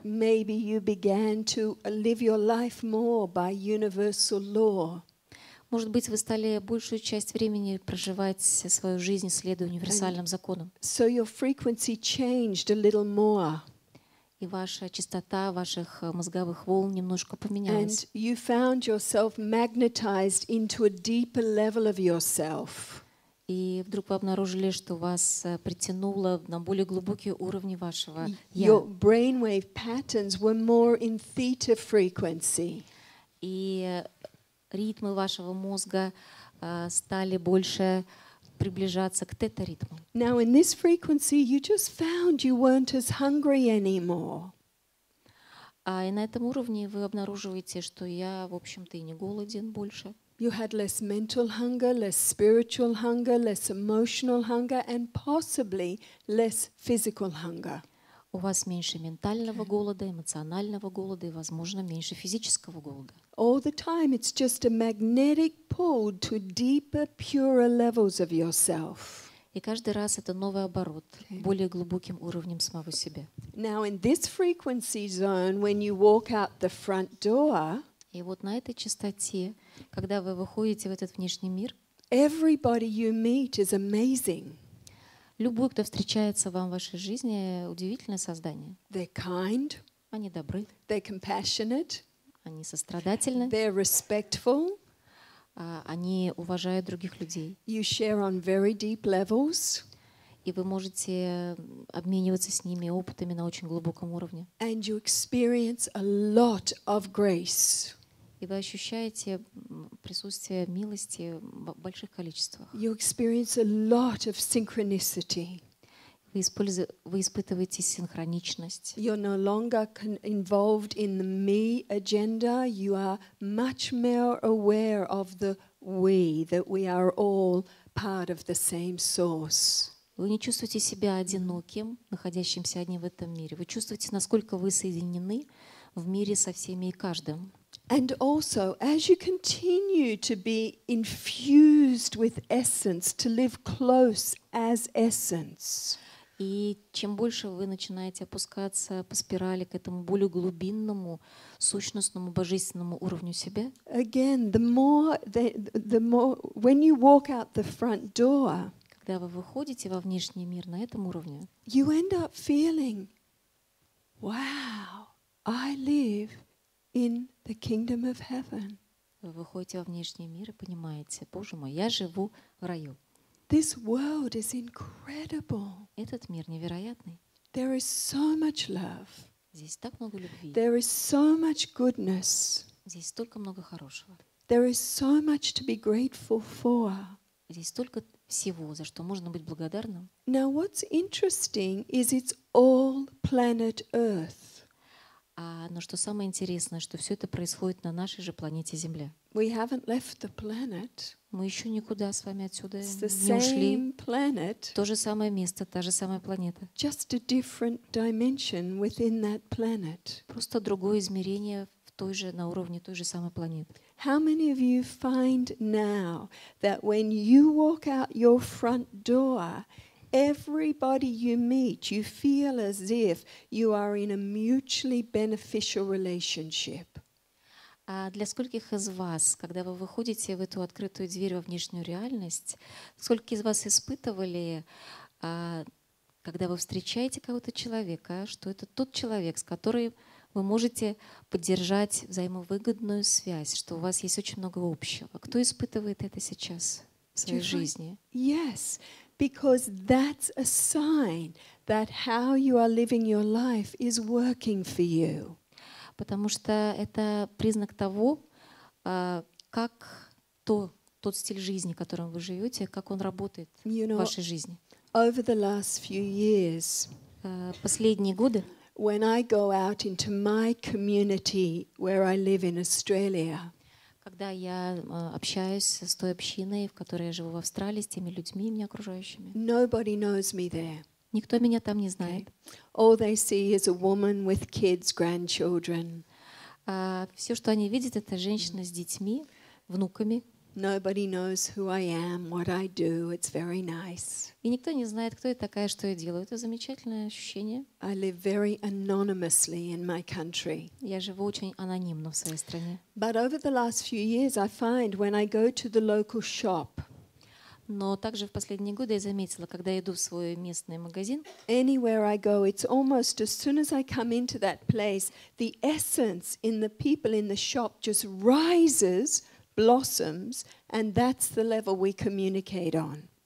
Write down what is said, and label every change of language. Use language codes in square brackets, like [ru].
[en] Maybe you began to live your life more by universal law. [ru] Может быть, вы стали большую часть времени проживать свою жизнь, следуя универсальным законам. [en] So your frequency changed a little more. [ru] И ваша частота ваших мозговых волн немножко поменялась. [en] And you found yourself magnetized into a deeper level of yourself. [ru] И вдруг вы обнаружили, что вас притянуло на более глубокие уровни вашего я. [en] Your brainwave patterns were more in theta frequency. [ru] И ритмы вашего мозга стали больше приближаться к тета-ритму. [en] Now in this frequency you just found you weren't as hungry anymore. [ru] И на этом уровне вы обнаруживаете, что я, в общем-то, и не голоден больше. [en] You had less mental hunger, less spiritual hunger, less emotional hunger, and possibly less physical hunger. [ru] У вас меньше ментального голода, эмоционального голода и, возможно, меньше физического голода. [en] All the time it's just a magnetic pull to deeper, purer levels of yourself. [ru] И каждый раз это новый оборот, более глубоким уровнем самого себя. [en] Now in this frequency zone, when you walk out the front door, [ru] и вот на этой частоте, когда вы выходите в этот внешний мир, [en] everybody you meet is amazing. [ru] Любой, кто встречается вам в вашей жизни, удивительное создание. [en] They're kind. [ru] Они добры. [en] They're compassionate. [ru] Они сострадательны. [en] They're respectful. [ru] Они уважают других людей. [en] You share on very deep levels. [ru] И вы можете обмениваться с ними опытами на очень глубоком уровне. [en] And you experience a lot of grace. [ru] И вы ощущаете присутствие милости в больших количествах. [en] You experience a lot of synchronicity. [ru] Вы испытываете синхроничность. [en] You're no longer involved in the me agenda. You are much more aware of the we, that we are all part of the same source. [ru] Вы не чувствуете себя одиноким, находящимся одним в этом мире. Вы чувствуете, насколько вы соединены в мире со всеми и каждым. [en] And also, as you continue to be infused with essence, to live close as essence. [ru] И чем больше вы начинаете опускаться по спирали к этому более глубинному, сущностному, божественному уровню себя, [en] again, the more, when you walk out the front door, [ru] когда вы выходите во внешний мир на этом уровне, [en] you end up feeling, wow, I live in the kingdom of heaven. [ru] выходите во внешний мир и понимаете, Боже мой, я живу в раю. [en] This world is incredible. [ru] Этот мир невероятный. [en] There is so much love. [ru] Здесь так много любви. [en] There is so much goodness. [ru] Здесь столько много хорошего. [en] There is so much to be grateful for. [ru] Здесь столько всего, за что можно быть благодарным. [en] Now what's interesting is it's all planet Earth. [ru] Но что самое интересное, что все это происходит на нашей же планете Земля. [en] We haven't left the planet. [ru] Мы еще никуда с вами отсюда не ушли. То же самое место, та же самая планета. [en] Just a different dimension within that planet. [ru] Просто другое измерение в той же, на уровне той же самой планеты. [en] How many of you find now that when you walk out your front door, everybody you meet, you feel as if you are in a mutually beneficial relationship? [ru] А для скольких из вас, когда вы выходите в эту открытую дверь во внешнюю реальность, сколько из вас испытывали, когда вы встречаете кого-то человека, что это тот человек, с которым вы можете поддержать взаимовыгодную связь, что у вас есть очень много общего? Кто испытывает это сейчас в своей жизни? [en] Yes, because that's a sign that how you are living your life is working for you. [ru] Потому что это признак того, как тот стиль жизни, которым вы живете, как он работает в вашей жизни. [en] Over the last few years, [ru] последние годы, [en] when I go out into my community where I live in Australia, [ru] когда я общаюсь с той общиной, в которой я живу в Австралии, с теми людьми, меня окружающими, [en] nobody knows me there. [ru] Никто меня там не знает. [en] All they see is a woman with kids, grandchildren. [ru] Все, что они видят, это женщина с детьми, внуками. [en] Nobody knows who I am, what I do. It's very nice. [ru] И никто не знает, кто я такая, что я делаю. Это замечательное ощущение. [en] I live very anonymously in my country. [ru] Я живу очень анонимно в своей стране. [en] But over the last few years, I find when I go to the local shop. [ru] Но также в последние годы я заметила, когда я иду в свой местный магазин. [en] Anywhere I go, it's almost as soon as I come into that place, the essence in the people in the shop just rises, blossoms, and that's the level we communicate on.